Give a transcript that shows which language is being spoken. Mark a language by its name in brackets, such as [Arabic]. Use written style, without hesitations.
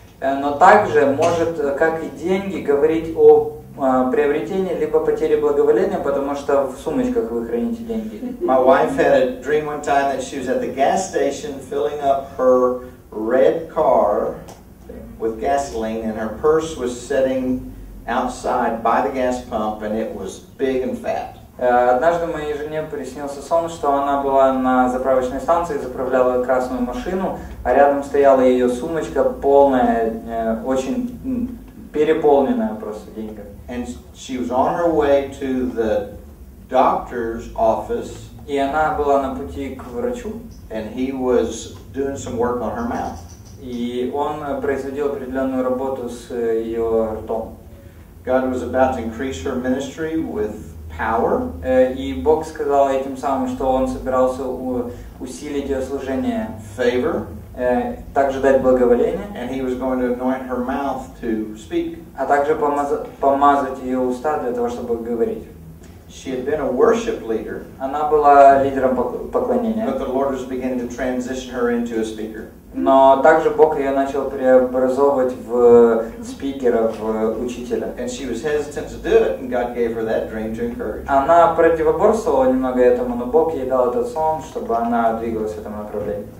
[Russian] Но также может, как и деньги, говорить о приобретении либо потере благоволения, потому что в сумочках вы храните деньги. [English] My wife had a dream one time that she was at the gas station filling up her red car. With gasoline, and her purse was sitting outside by the gas pump, and it was big and fat. [Russian] Однажды моей жене приснился сон, что она была на заправочной станции, заправляла красную машину, а рядом стояла ее сумочка полная, очень переполненная просто деньгами. [English] And she was on her way to the doctor's office. [Russian] И она была на пути к врачу. [English] And he was doing some work on her mouth. [Russian] И он производил определенную работу с ее ртом. [English] God was about to increase her ministry with power. [Russian] И Бог сказал этим самым, что он собирался усилить ее служение. [English] Favor. [Russian] Также дать благоволение. [English] And he was going to anoint her mouth to speak. [Russian] А также помазать ее уста для того, чтобы говорить. [English] She had been a worship leader. [Russian] Она была лидером поклонения. [English] But the Lord was beginning to transition her into a speaker. [Russian] Но также Бог ее начал преобразовывать в спикера, в учителя. [English] And she was hesitant to do it, and God gave her that dream to encourage. [Russian] Она противоборствовала немного этому, но Бог ей дал этот сон, чтобы она двигалась в этом направлении.